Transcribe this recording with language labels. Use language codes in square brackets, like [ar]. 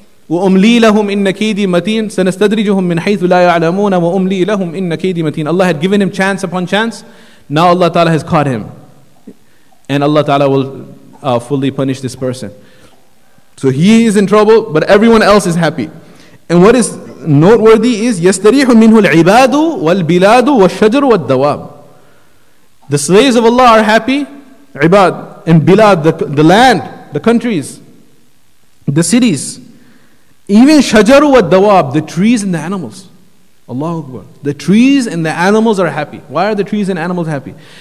[ar] وَأُمْلِي لَهُمْ إِنَّ كَيْدِي مَتِينَ سَنَسْتَدْرِجُهُمْ مِنْ حَيْثُ لَا يَعْلَمُونَ وَأُمْلِي لَهُمْ إِنَّ كَيْدِي مَتِينَ. [en] Allah had given him chance upon chance. Now Allah Ta'ala has caught him. And Allah Ta'ala will fully punish this person. So he is in trouble, but everyone else is happy. And what is noteworthy is [ar] يَسْتَرِيحُ مِنْهُ الْعِبَادُ وَالْبِلَادُ وَالشَّجَرُ وَالدَّوَابُ. [en] The slaves of Allah are happy. عِبَاد and بِلَاد, the land, the countries, the cities, even shajaru wa dawab, the trees and the animals. Allahu Akbar. The trees and the animals are happy. Why are the trees and animals happy?